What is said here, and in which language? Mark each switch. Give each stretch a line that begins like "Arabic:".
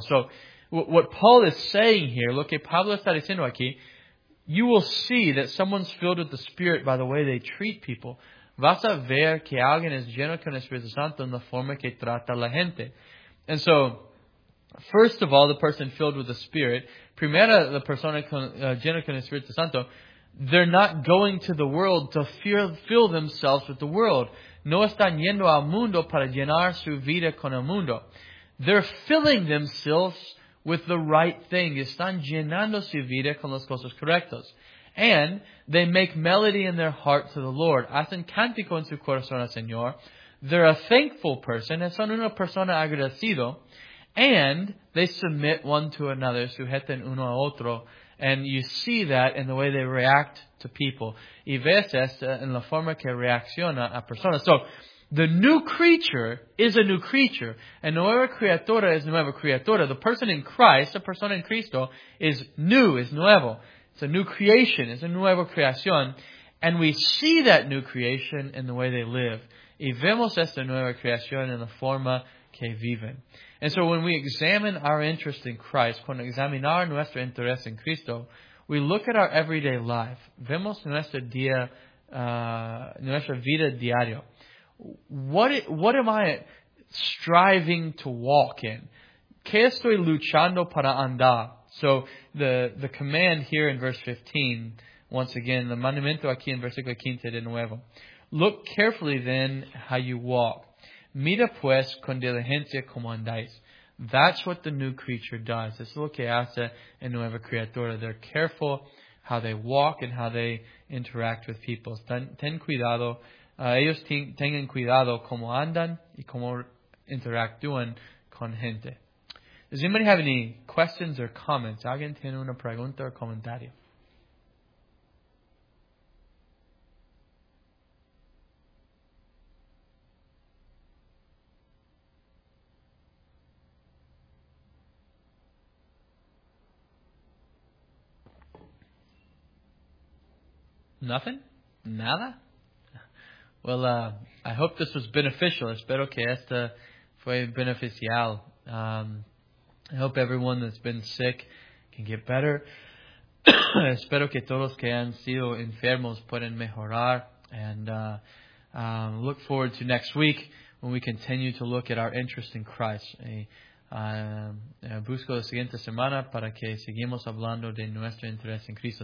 English: So, what Paul is saying here,
Spanish: lo que Pablo está diciendo aquí,
English: you will see that someone's filled with the Spirit by the way they treat people.
Spanish: Vas a ver que alguien es lleno con el Espíritu Santo en la forma que trata a la gente.
English: And so, first of all, the person filled with the Spirit,
Spanish: primero la persona llena con el Espíritu Santo,
English: they're not going to the world to fill themselves with the world.
Spanish: No están yendo al mundo para llenar su vida con el mundo.
English: They're filling themselves with the right thing.
Spanish: Están llenando su vida con las cosas correctas.
English: And they make melody in their heart to the Lord.
Spanish: Hacen cántico en su corazón al Señor.
English: They're a thankful person.
Spanish: Son una persona agradecido.
English: And they submit one to another,
Spanish: sujeten uno a otro.
English: And you see that in the way they react to people.
Spanish: Y ves esto en la forma que reacciona a personas.
English: So, the new creature is a new creature. And
Spanish: nueva criatura es nueva criatura.
English: The person in Christ, the
Spanish: persona en Cristo,
English: is new, is
Spanish: nuevo.
English: It's a new creation, it's a
Spanish: nueva creación.
English: And we see that new creation in the way they live.
Spanish: Y vemos esta nueva creación en la forma que viven.
English: And so when we examine our interest in Christ,
Spanish: cuando examinar nuestro interés en Cristo,
English: we look at our everyday life.
Spanish: Vemos nuestra vida diario.
English: What am I striving to walk in?
Spanish: ¿Qué estoy luchando para andar?
English: So the command here in verse 15, once again, the
Spanish: mandamiento aquí en versículo 15 de nuevo.
English: Look carefully then how you walk.
Spanish: Mira pues con diligencia como andáis.
English: That's what the new creature does.
Spanish: Es lo que hace el nuevo criatura.
English: They're careful how they walk and how they interact with people.
Spanish: Ten cuidado. Ellos tengan cuidado como andan y como interactúan con gente.
English: Does anybody have any questions or comments?
Spanish: ¿Alguien tiene una pregunta o comentario?
English: Nothing?
Spanish: Nada?
English: Well, I hope this was beneficial.
Spanish: Espero que esta fue beneficial.
English: I hope everyone that's been sick can get better.
Spanish: Espero que todos que han sido enfermos pueden mejorar.
English: And look forward to next week when we continue to look at our interest in Christ.
Spanish: Busco la siguiente semana para que sigamos hablando de nuestro interés en Cristo.